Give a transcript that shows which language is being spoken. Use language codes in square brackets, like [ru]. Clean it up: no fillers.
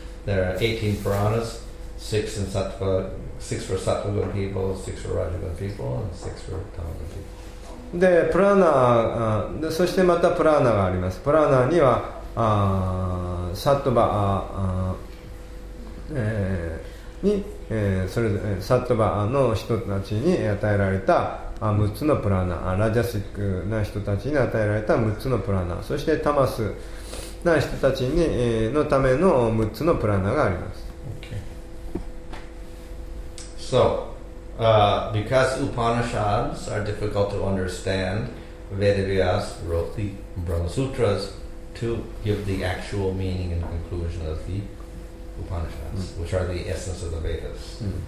[en] There are 18 Puranas, six for Sattva-guna people, six for Rajagun people, and six for Tamagun people. [ja] で、プラナ、そしてまたプラナがあります。プラナにはサットバ、に、それぞれサットバの人たちに与えられた6つのプラーナ、ラジャスティックな人たちに与えられた6つのプラーナ、そしてタマスな人たちに、のための6つのプラーナがあります。 [en] Okay. So, because Upanishads are difficult to understand, Vedavyas wrote the Brahma Sutras to give the actual meaning and conclusion of theUpanishads, which are the essence of the Vedas.